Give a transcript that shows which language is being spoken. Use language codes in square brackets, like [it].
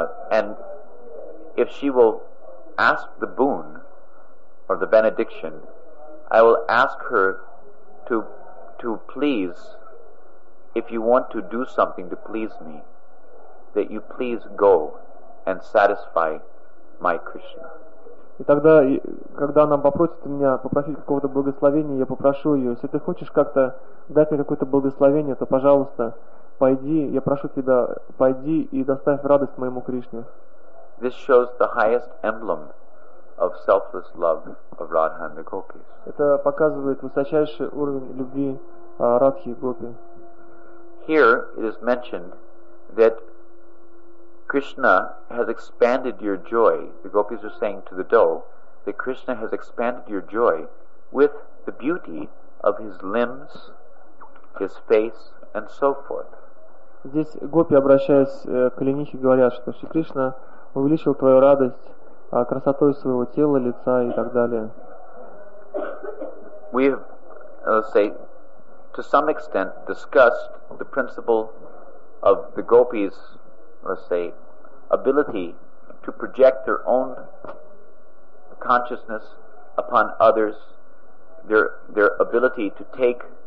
[en] And if she will ask the boon or the benediction, I will ask her to please, if you want to do something to please me, that you please go and satisfy my Krishna. [ru] И тогда, когда она попросит меня попросить какого-то благословения, я попрошу ее, если ты хочешь как-то дать мне какое-то благословение, то, пожалуйста, пойди, я прошу тебя, пойди и доставь радость моему Кришне. [en] This shows the highest emblem of selfless love of Radha and the Gopis. [ru] Это показывает высочайший уровень любви Радхи и Гопи. [en] Here it is mentioned that Krishna has expanded your joy. The Gopis are saying to the doe that Krishna has expanded your joy with the beauty of his limbs, his face, and so forth. [ru] Здесь Гопи, обращаясь к оленихе, говорят, что Шри Кришна увеличил твою радость красотой своего тела, лица и так далее. [en] We have, let's say, to some extent, discussed the principle of the gopis, let's say, ability to project their own consciousness upon others, their ability to take,